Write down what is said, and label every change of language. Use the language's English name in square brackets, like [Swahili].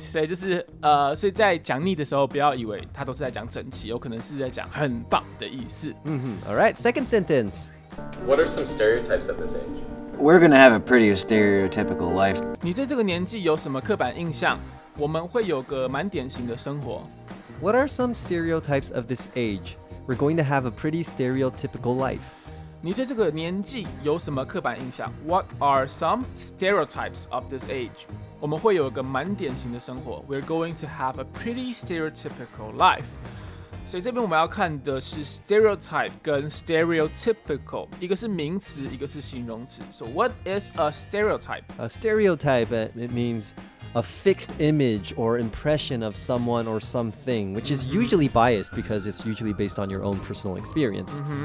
[Chinese] 所以就是所以在讲 neat 的时候不要以为它都是在讲整齐，有可能是在讲很棒的意思。 [English] Mm-hmm. All right, second sentence. What are some stereotypes of this age? We're going to have a pretty stereotypical life. [Chinese] 你对这个年纪有什么刻板印象？我们会有个蛮典型的生活。 [English] What are some stereotypes of this age? We're going to have a pretty stereotypical life. [Chinese] 你对这个年纪有什么刻板印象? [English] What are some stereotypes of this age? [Chinese] 我们会有个蛮典型的生活。 [English] We're going to have a pretty stereotypical life. [Chinese] 所以这边我们要看的是 stereotype 跟 stereotypical， 一个是名词，一个是形容词。 [English] So what is a stereotype? A stereotype, it means... A fixed image or impression of someone or something, which is usually biased because it's usually based on your own personal experience.